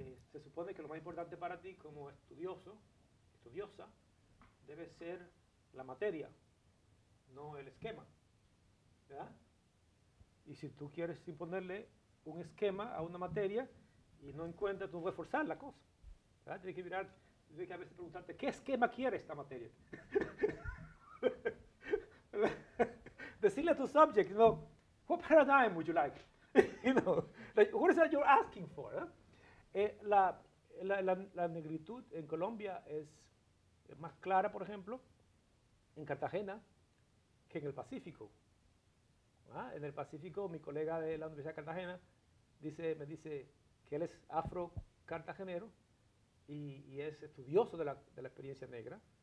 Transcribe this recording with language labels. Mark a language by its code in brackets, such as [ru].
[es] Se supone que lo más importante para ti como estudioso, estudiosa, debe ser la materia, no el esquema, ¿verdad? Y si tú quieres imponerle un esquema a una materia y no encuentras, tú no puedes forzar la cosa, ¿verdad? Tienes que mirar, tienes que a veces preguntarte, ¿qué esquema quiere esta materia? Decirle a tu [en] subject, you know, what paradigm would you like? You know, like, what is that you're asking for? [es] La negritud en Colombia es más clara, por ejemplo, en Cartagena que en el Pacífico. ¿Ah? En el Pacífico, mi colega de la Universidad de Cartagena me dice que él es afro-cartagenero y es estudioso de la experiencia negra.